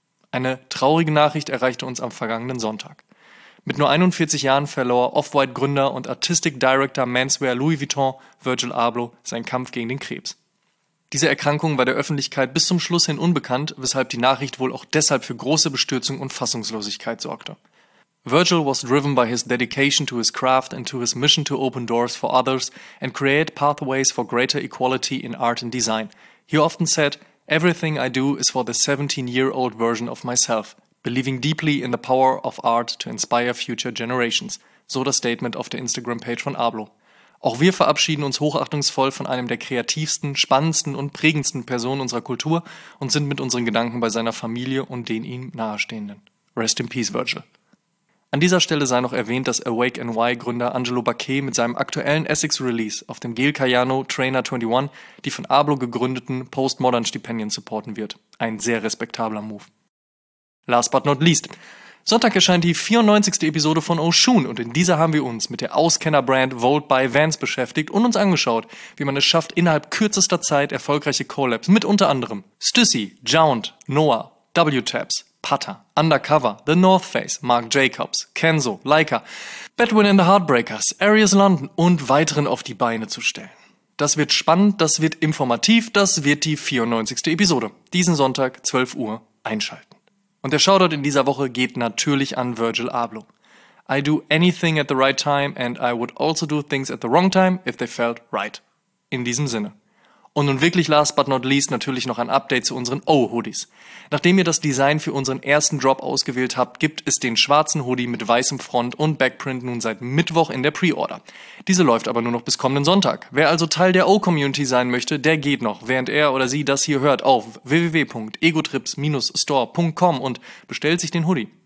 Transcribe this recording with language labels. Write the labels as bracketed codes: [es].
[de] Eine traurige Nachricht erreichte uns am vergangenen Sonntag. Mit nur 41 Jahren verlor Off-White-Gründer und Artistic Director Menswear Louis Vuitton Virgil Abloh seinen Kampf gegen den Krebs. Diese Erkrankung war der Öffentlichkeit bis zum Schluss hin unbekannt, weshalb die Nachricht wohl auch deshalb für große Bestürzung und Fassungslosigkeit sorgte. [en] Virgil was driven by his dedication to his craft and to his mission to open doors for others and create pathways for greater equality in art and design. He often said, "Everything I do is for the 17-year-old version of myself." Believing deeply in the power of art to inspire future generations. [de] So das Statement auf der Instagram-Page von Abloh. Auch wir verabschieden uns hochachtungsvoll von einem der kreativsten, spannendsten und prägendsten Personen unserer Kultur und sind mit unseren Gedanken bei seiner Familie und den ihm Nahestehenden. [en] Rest in peace, Virgil. [de] An dieser Stelle sei noch erwähnt, dass Awake NY-Gründer Angelo Baquet mit seinem aktuellen Essex-Release auf dem Gel Cayano Trainer 21 die von Abloh gegründeten Postmodern-Stipendien supporten wird. Ein sehr respektabler Move. [en] Last but not least. [de] Sonntag erscheint die 94. Episode von Oshun und in dieser haben wir uns mit der Auskenner-Brand Volt by Vance beschäftigt und uns angeschaut, wie man es schafft, innerhalb kürzester Zeit erfolgreiche Collabs mit unter anderem Stüssy, Jount, Noah, W-Tabs, Putter, Undercover, The North Face, Marc Jacobs, Kenzo, Leica, Bedwin and the Heartbreakers, Arias London und weiteren auf die Beine zu stellen. Das wird spannend, das wird informativ, das wird die 94. Episode. Diesen Sonntag, 12 Uhr, einschalten. Und der Shoutout in dieser Woche geht natürlich an Virgil Abloh. [en] I do anything at the right time and I would also do things at the wrong time if they felt right. [de] In diesem Sinne. Und nun wirklich [en] last but not least [de] natürlich noch ein Update zu unseren O-Hoodies. Nachdem ihr das Design für unseren ersten Drop ausgewählt habt, gibt es den schwarzen Hoodie mit weißem Front und Backprint nun seit Mittwoch in der Pre-Order. Diese läuft aber nur noch bis kommenden Sonntag. Wer also Teil der O-Community sein möchte, der geht noch, während er oder sie das hier hört, auf www.egotrips-store.com und bestellt sich den Hoodie.